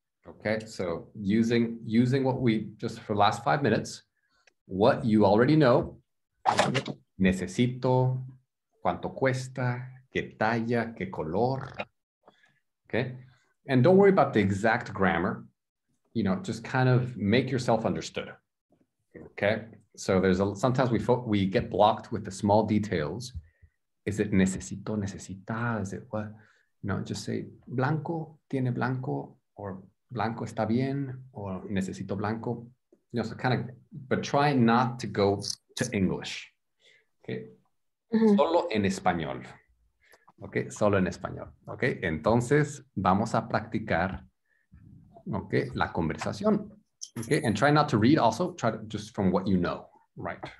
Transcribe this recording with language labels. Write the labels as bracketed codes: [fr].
[en] Okay, so using what we just for the last 5 minutes, what you already know, [es] necesito, cuánto cuesta, qué talla, qué color, [en] okay? And don't worry about the exact grammar, you know, just kind of make yourself understood, okay? So sometimes we get blocked with the small details. Is it necesito, necesita, is it what? No, just say blanco, [es] tiene blanco, [en] or [es] blanco está bien, [en] or [es] necesito blanco. [en] You know, so kind of, but try not to go to English, okay? [es] Mm-hmm. Solo en español. Ok, solo en español. Ok, entonces vamos a practicar, ok, la conversación. [en] Ok, and try not to read also, try to, just from what you know, right?